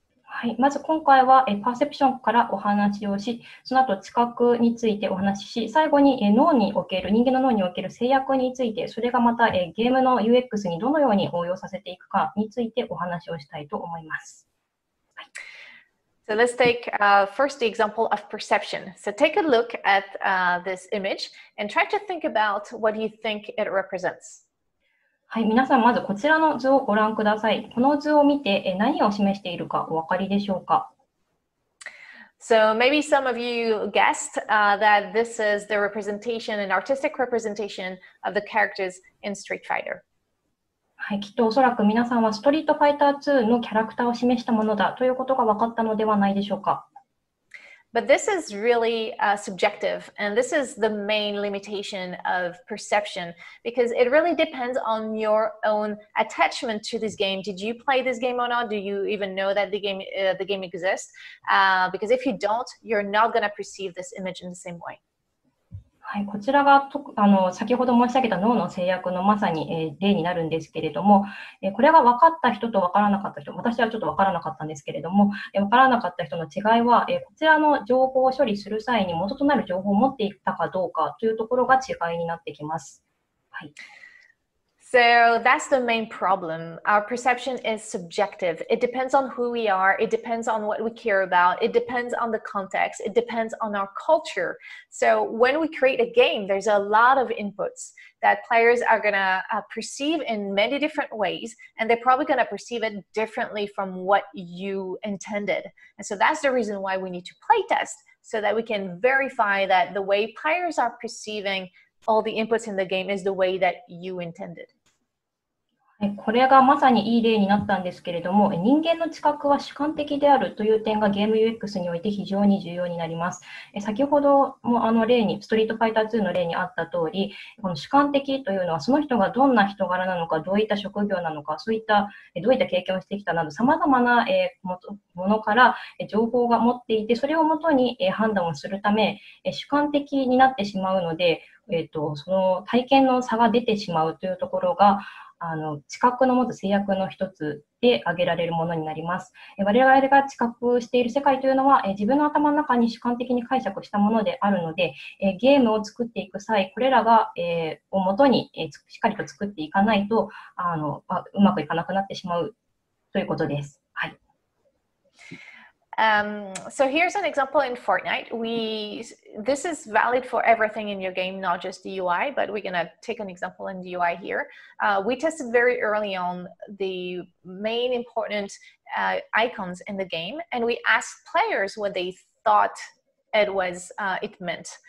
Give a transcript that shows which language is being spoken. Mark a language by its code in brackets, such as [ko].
[ja] はい、まず今回はパーセプションからお話をし、その後知覚についてお話しし、最後に脳における、人間の脳における制約について、それがまたゲームの UX にどのように応用させていくかについてお話をしたいと思います。はい、 [en] So let's take first the example of perception. So take a look at this image and try to think about what you think it represents. [ja] はい、皆さんまずこちらの図をご覧ください。この図を見て何を示しているかお分かりでしょうか。 [en] So maybe some of you guessed that this is the representation, an artistic representation of the characters in Street Fighter. [ja] はい、きっとおそらく皆さんはストリートファイター2のキャラクターを示したものだということが分かったのではないでしょうか。 [en] But this is really subjective, and this is the main limitation of perception because it really depends on your own attachment to this game. Did you play this game or not? Do you even know that the game exists? Because if you don't, you're not going to perceive this image in the same way. [ja] はい、こちらが先ほど申し上げた脳の制約のまさに、例になるんですけれども、これが分かった人と分からなかった人、私はちょっと分からなかったんですけれども、分からなかった人の違いは、こちらの情報を処理する際に元となる情報を持っていたかどうかというところが違いになってきます。はい。 [en] So that's the main problem. Our perception is subjective. It depends on who we are. It depends on what we care about. It depends on the context. It depends on our culture. So when we create a game, there's a lot of inputs that players are going to perceive in many different ways, and they're probably going to perceive it differently from what you intended. And so that's the reason why we need to play test, so that we can verify that the way players are perceivingAll the inputs in the game is the way that you intended. [ja] これがまさにいい例になったんですけれども、人間の知覚は主観的であるという点がゲーム UX において非常に重要になります。先ほどもあの例に、ストリートファイター2の例にあった通り、この主観的というのはその人がどんな人柄なのか、どういった職業なのか、そういったどういった経験をしてきたなど、さまざまなものから情報が持っていて、それをもとに判断をするため、主観的になってしまうので、その体験の差が出てしまうというところが知覚の持つ制約の一つで挙げられるものになります。我々が知覚している世界というのは自分の頭の中に主観的に解釈したものであるので、ゲームを作っていく際、これらが、をもとに、しっかりと作っていかないとうまくいかなくなってしまうということです。はい。 [en] So here's an example in Fortnite. This is valid for everything in your game, not just the UI, but we're going to take an example in the UI here. We tested very early on the main important icons in the game, and we asked players what they thought it meant.